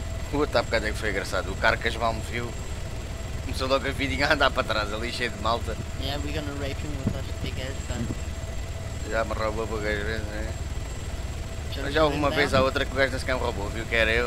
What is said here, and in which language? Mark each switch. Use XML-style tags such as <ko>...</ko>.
<pt>Puta, há bocado é que foi engraçado, o Carcas mal me viu. Começou logo a vidinha a andar para trás ali, cheio de malta.</pt> <en>Yeah, we're gonna rape him with us big ass gun.</en> <pt>Já me roubou poucas vezes, né? Mas já houve uma vez ou outra que o gajo nesse campo roubou, viu que era eu?</pt>